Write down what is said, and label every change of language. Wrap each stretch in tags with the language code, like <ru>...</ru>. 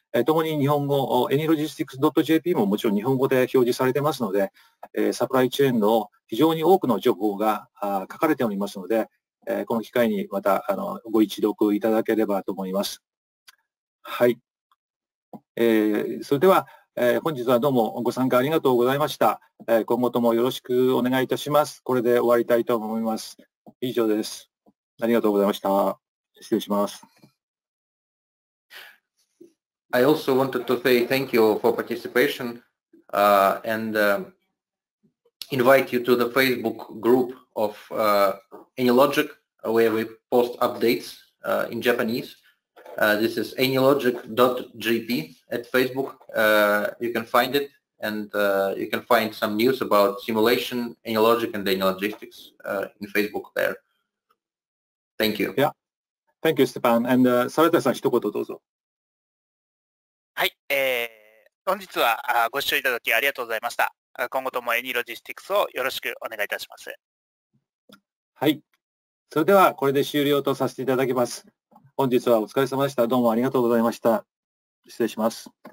<ja>ともに日本語、anylogistics.jp ももちろん日本語で表示されてますので、サプライチェーンの非常に多くの情報が書かれておりますので、この機会にまたご一読いただければと思います。はい。それでは、本日はどうもご参加ありがとうございました。今後ともよろしくお願いいたします。これで終わりたいと思います。以上です。ありがとうございました。失礼します。</ja> <en>I also wanted to say thank you for participation and invite you to the Facebook group of AnyLogic where we post updates in Japanese. This is AnyLogic.jp at Facebook. You can find it and you can find some news about simulation, AnyLogic and AnyLogistics in Facebook there. Thank you. Yeah. Thank you, Stepan.</en> <ja>And Sarata-san, 一言どうぞ。はい、本日はご視聴いただきありがとうございました。今後ともエニロジスティクスをよろしくお願いいたします。はい、それではこれで終了とさせていただきます。本日はお疲れ様でした。どうもありがとうございました。失礼します。</ja>